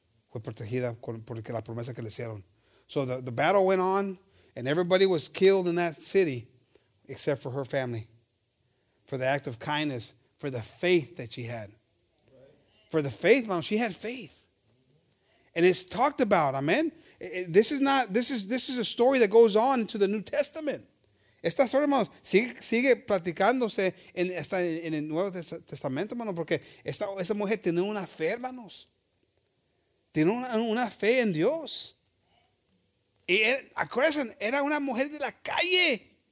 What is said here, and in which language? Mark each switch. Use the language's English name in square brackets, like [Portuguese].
[Spanish] Fue protegida porque la promesa que le hicieron. [English] So the battle went on, and everybody was killed in that city except for her family. For the act of kindness, for the faith that she had. For the faith, hermanos, she had faith. And it's talked about, amen. This is a story that goes on to the New Testament. [Spanish] Esta historia, hermanos, sigue platicándose en el Nuevo Testamento, hermanos, porque esta mujer tiene una fe, hermanos. Tiene una fe en Dios. Y acuérdense, era una mujer de la calle.